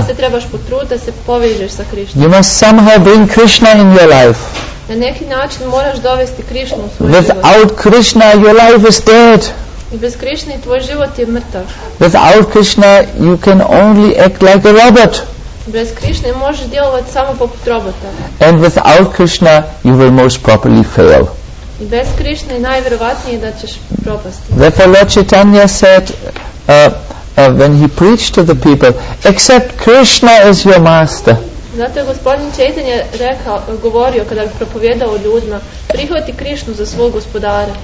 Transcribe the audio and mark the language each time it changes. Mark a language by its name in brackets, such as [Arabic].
[Bosnian] da se trebaš potruditi da se povežeš sa Krišnom. [English] You must somehow bring Krishna in your life. [Bosnian] Na neki način moraš dovesti Krišnu u svoj život. [English] Without Krishna your life is dead. [Bosnian] I bez Krišne tvoj život je mrtav. [English] Without Krishna you can only act like a robot. [Bosnian] Bez Krišne možeš djelovati samo poput robota. [English] And without Krishna you will most probably fail. [Bosnian] I bez Krišne najvjerovatnije da ćeš propasti. [English] Therefore Lord Chaitanya said when he preached to the people, accept Krishna as your master. [Bosnian] Zato je gospodin Chaitanya rekao, govorio kada bi propovjedao ljudima, prihvati Krišnu za svog gospodara.